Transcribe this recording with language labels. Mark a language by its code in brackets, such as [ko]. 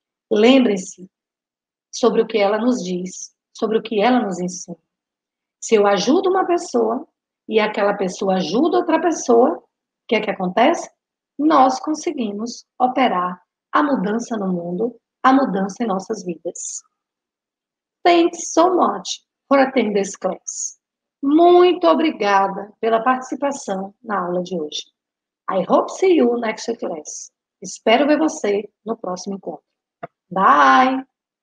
[pt] Lembre-se sobre o que ela nos diz, sobre o que ela nos ensina. Se eu ajudo uma pessoa e aquela pessoa ajuda outra pessoa, o que é que acontece? Nós conseguimos operar a mudança no mundo, a mudança em nossas vidas. [en] Thanks so much for attending this class. [pt] Muito obrigada pela participação na aula de hoje. [en] I hope see you next class. [pt] Espero ver você no próximo encontro. [en] Bye!